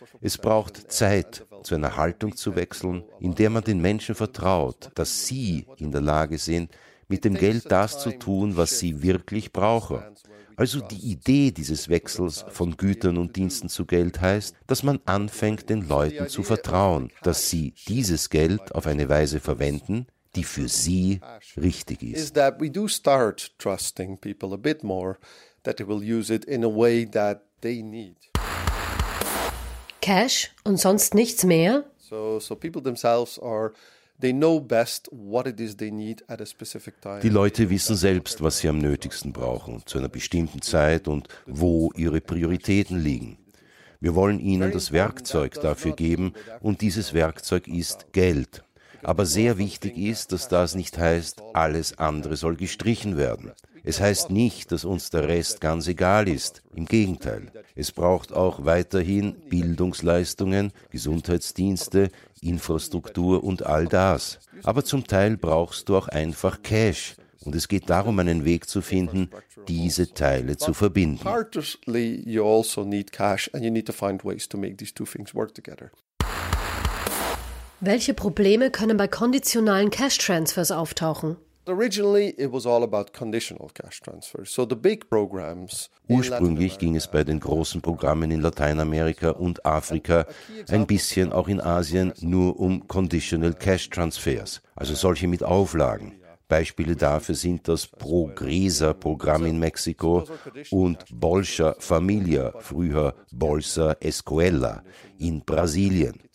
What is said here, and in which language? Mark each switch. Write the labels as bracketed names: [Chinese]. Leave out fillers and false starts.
[German] Es braucht Zeit, zu einer Haltung zu wechseln, in der man den Menschen vertraut, dass sie in der Lage sind, mit dem Geld das zu tun, was sie wirklich brauchen. Also die Idee dieses Wechsels von Gütern und Diensten zu Geld heißt, dass man anfängt, den Leuten zu vertrauen, dass sie dieses Geld auf eine Weise verwenden, die für sie richtig ist. [English] Is that we do start trusting people a bit more, that they will use it in a way that they need. [German] Cash und sonst nichts mehr? [English] So people themselves are, they know best what it is they need at a specific time. [German] Die Leute wissen selbst, was sie am nötigsten brauchen, zu einer bestimmten Zeit und wo ihre Prioritäten liegen. Wir wollen ihnen das Werkzeug dafür geben, und dieses Werkzeug ist Geld. Aber sehr wichtig ist, dass das nicht heißt, alles andere soll gestrichen werden. Es heißt nicht, dass uns der Rest ganz egal ist. Im Gegenteil. Es braucht auch weiterhin Bildungsleistungen, Gesundheitsdienste, Infrastruktur und all das. Aber zum Teil brauchst du auch einfach Cash. Und es geht darum, einen Weg zu finden, diese Teile zu verbinden. [English] Partly you also need cash and you need to find ways to make these two things work together. [German] Welche Probleme können bei konditionalen Cash-Transfers auftauchen? [English] Originally it was all about conditional cash transfers. So the big programs. [German] Ursprünglich ging es bei den großen Programmen in Lateinamerika und Afrika, ein bisschen auch in Asien, nur um conditional cash transfers, also solche mit Auflagen. Beispiele dafür sind das Progresa-Programm in Mexiko und Bolsa Familia, früher Bolsa Escuela, in Brasilien.